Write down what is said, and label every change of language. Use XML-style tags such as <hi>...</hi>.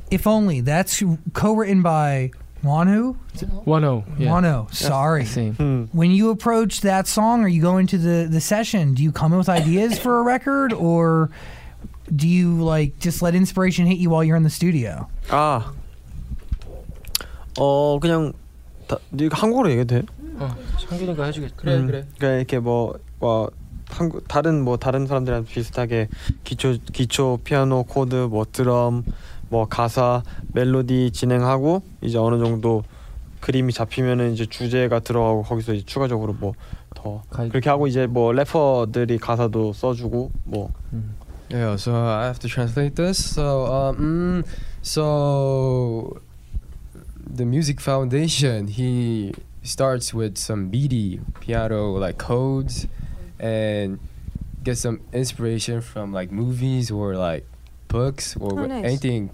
<en>If only that's co-written by Wanu. Wano. Sorry. Yeah, when you approach that song or you go into the session, do you come up with ideas for a record or do you like just let inspiration hit you while you're in the studio?</en> <ko>그냥 네가 한국어로 얘기해도 돼? 창균이가 해주게. 그래. 그러니까 이렇게 뭐 한국 다른 뭐 다른 사람들이랑 비슷하게 기초 피아노 코드 뭐 드럼 뭐 가사 멜로디 진행하고 이제 어느 정도 그림이 잡히면은 이제 주제가 들어가고 거기서 이제 추가적으로 뭐 더 그렇게 하고 이제 뭐 래퍼들이 가사도 써주고 뭐</ko> <en>Yeah, so I have to translate this. So, so the music foundation, he starts with some MIDI piano like codes and gets some inspiration from like movies or like books or anything.</en>